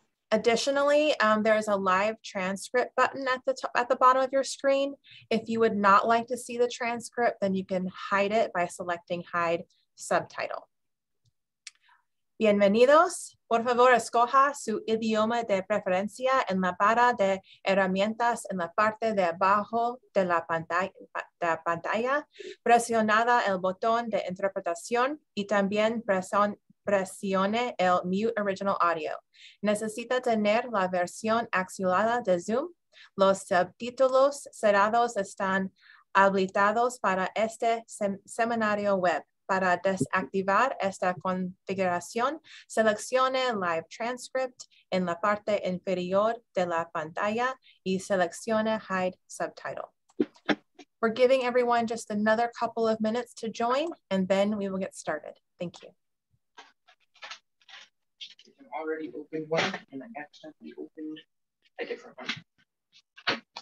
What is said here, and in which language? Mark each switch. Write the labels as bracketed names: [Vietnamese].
[English] Additionally, there is a live transcript button at the bottom of your screen. If you would not like to see the transcript, then you can hide it by selecting hide subtitle. [Spanish] Bienvenidos. Por favor, escoja su idioma de preferencia en la barra de herramientas en la parte de abajo de la pantalla. Presionada el botón de interpretación y también presione el mute original audio. Necesita tener la versión activada de Zoom. Los subtítulos cerrados están habilitados para este seminario web. Para desactivar esta configuración, seleccione Live Transcript en la parte inferior de la pantalla y seleccione Hide Subtitle. [English] We're giving everyone just another couple of minutes to join, and then we will get started. Thank you. I can already open one, and I accidentally opened a different one.